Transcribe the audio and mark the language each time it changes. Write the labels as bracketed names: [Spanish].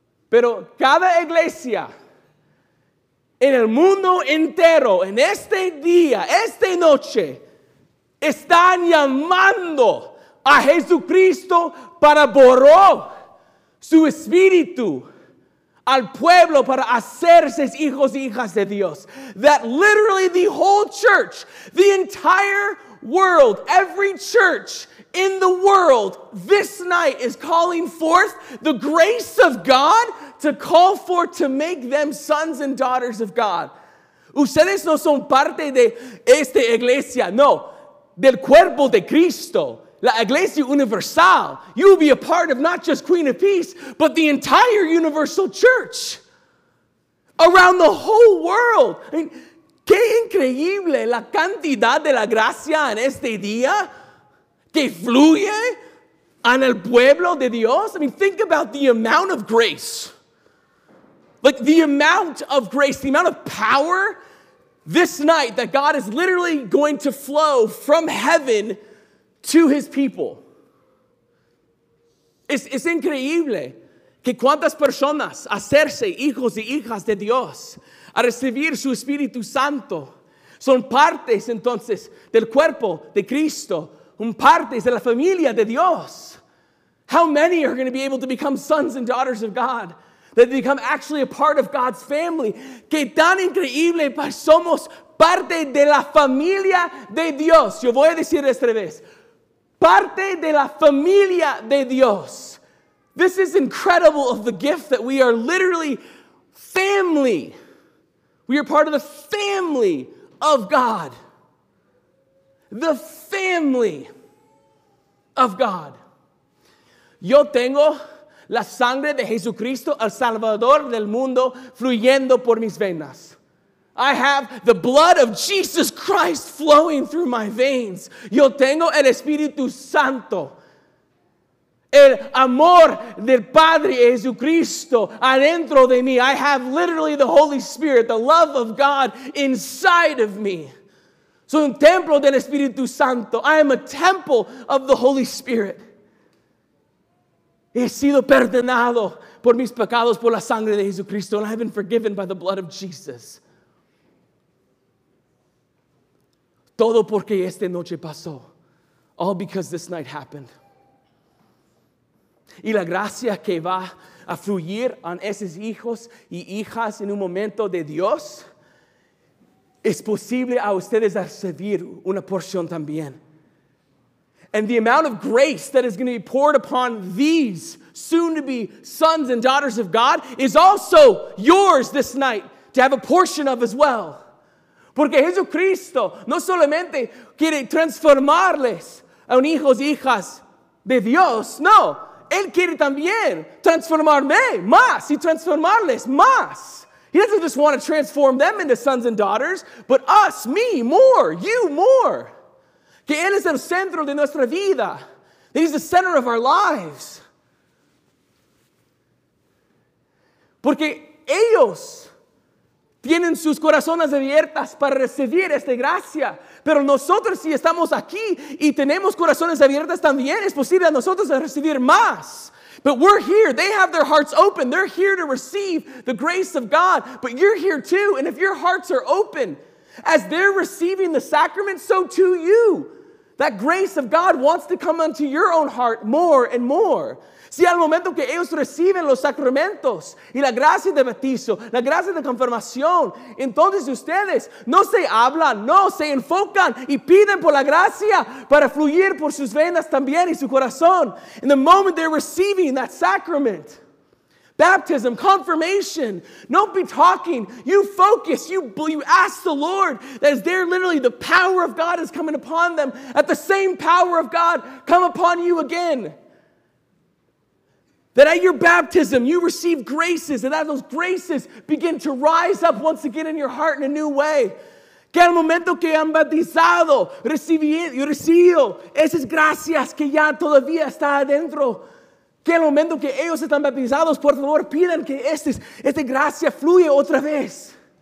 [Spanish] Pero cada iglesia en el mundo entero, en este día, esta noche, están llamando a Jesucristo para borrar su espíritu al pueblo para hacerse hijos y hijas de Dios. [English] That literally the whole church, the entire world, every church in the world this night is calling forth the grace of God to call forth to make them sons and daughters of God. [Spanish] Ustedes no son parte de esta iglesia, no, del cuerpo de Cristo, la iglesia universal. [English] You'll be a part of not just Queen of Peace, but the entire universal church around the whole world. I mean, [Spanish] qué increíble la cantidad de la gracia en este día que fluye en el pueblo de Dios. [English] I mean, think about the amount of grace. Like the amount of grace, the amount of power this night that God is literally going to flow from heaven to his people. [Spanish] Es increíble que cuántas personas hacerse hijos y hijas de Dios a recibir su Espíritu Santo son partes entonces del cuerpo de Cristo, un parte de la familia de Dios. [English] How many are going to be able to become sons and daughters of God? That they become actually a part of God's family. [Spanish] Que tan increíble somos parte de la familia de Dios. Yo voy a decir esta vez. Parte de la familia de Dios. [English] This is incredible of the gift that we are literally family. We are part of the family of God. The family of God. [Spanish] Yo tengo la sangre de Jesucristo, el Salvador del mundo, fluyendo por mis venas. [English] I have the blood of Jesus Christ flowing through my veins. [Spanish] Yo tengo el Espíritu Santo. El amor del Padre Jesucristo adentro de mí. [English] I have literally the Holy Spirit, the love of God inside of me. [Spanish] Soy un templo del Espíritu Santo. [English] I am a temple of the Holy Spirit. [Spanish] He sido perdonado por mis pecados por la sangre de Jesucristo. [English] And I have been forgiven by the blood of Jesus. [Spanish] Todo porque esta noche pasó. [English] All because this night happened. [Spanish] Y la gracia que va a fluir en esos hijos y hijas en un momento de Dios, es posible a ustedes recibir una porción también. [English] And the amount of grace that is going to be poured upon these soon-to-be sons and daughters of God is also yours this night to have a portion of as well. [Spanish] Porque Jesucristo no solamente quiere transformarles a un hijos y hijas de Dios, no. Él quiere también transformarme más y transformarles más. [English] He doesn't just want to transform them into sons and daughters, but us, me, more, you, more. [Spanish] Que Él es el centro de nuestra vida. [English] That He's the center of our lives. [Spanish] Porque ellos tienen sus corazones abiertas para recibir esta gracia. Pero nosotros si estamos aquí y tenemos corazones abiertas también, es posible a nosotros recibir más. [English] But we're here. They have their hearts open. They're here to receive the grace of God. But you're here too. And if your hearts are open, as they're receiving the sacrament, so too you. That grace of God wants to come unto your own heart more and more. [Spanish] Si al momento que ellos reciben los sacramentos y la gracia de bautizo, la gracia de confirmación, entonces ustedes no se hablan, no se enfocan y piden por la gracia para fluir por sus venas también y su corazón. [English] In the moment they're receiving that sacrament, baptism, confirmation, don't be talking. You focus, you ask the Lord that is there literally the power of God is coming upon them. At the same power of God come upon you again. That at your baptism you receive graces, and that those graces begin to rise up once again in your heart in a new way. [Spanish] Que al momento que han bautizado, recibido esas gracias que ya todavía está adentro. Que al momento que ellos están bautizados, por favor, pidan que esta gracia fluya otra vez.